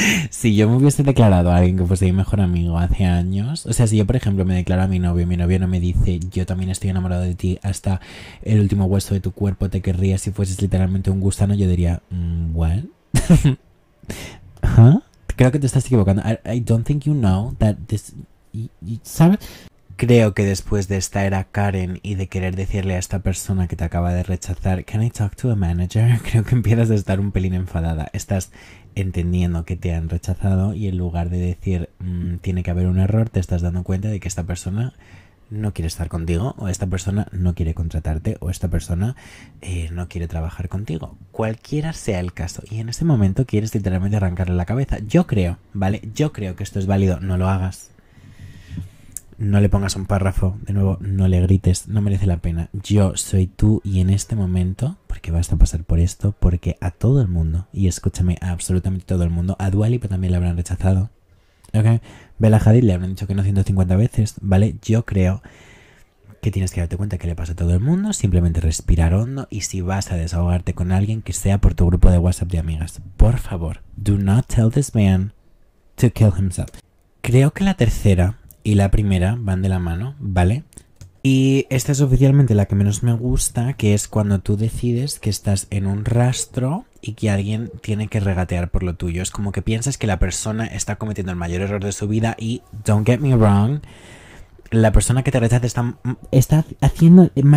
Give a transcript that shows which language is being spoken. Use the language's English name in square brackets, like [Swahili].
[Spanish] Si yo me hubiese declarado a alguien que fuese mi mejor amigo hace años, o sea, si yo por ejemplo me declaro a mi novio no me dice, yo también estoy enamorado de ti hasta el último hueso de tu cuerpo, te querría si fueses literalmente un gusano, yo diría, what? ¿Huh? Creo que te estás equivocando. [English] I don't think you know that this... [Spanish] ¿sabes? Creo que después de esta era Karen y de querer decirle a esta persona que te acaba de rechazar, [English] can I talk to a manager? [Spanish] Creo que empiezas a estar un pelín enfadada. Estás entendiendo que te han rechazado y en lugar de decir, tiene que haber un error, te estás dando cuenta de que esta persona no quiere estar contigo, o esta persona no quiere contratarte, o esta persona no quiere trabajar contigo. Cualquiera sea el caso. Y en ese momento quieres literalmente arrancarle la cabeza. Yo creo, ¿vale? Yo creo que esto es válido. No lo hagas. No le pongas un párrafo, de nuevo, no le grites, no merece la pena. Yo soy tú y en este momento, porque vas a pasar por esto, porque a todo el mundo, y escúchame, a absolutamente todo el mundo, a Dua Lipa también le habrán rechazado, ¿ok? Bella Hadid le habrán dicho que no 150 veces, ¿vale? Yo creo que tienes que darte cuenta que le pasa a todo el mundo, simplemente respirar hondo y si vas a desahogarte con alguien, que sea por tu grupo de WhatsApp de amigas. Por favor, [English] do not tell this man to kill himself. [Spanish] Creo que la tercera y la primera van de la mano, ¿vale? Y esta es oficialmente la que menos me gusta, que es cuando tú decides que estás en un rastro y que alguien tiene que regatear por lo tuyo. Es como que piensas que la persona está cometiendo el mayor error de su vida y, [English] don't get me wrong, [Spanish] la persona que te rechaza está haciendo...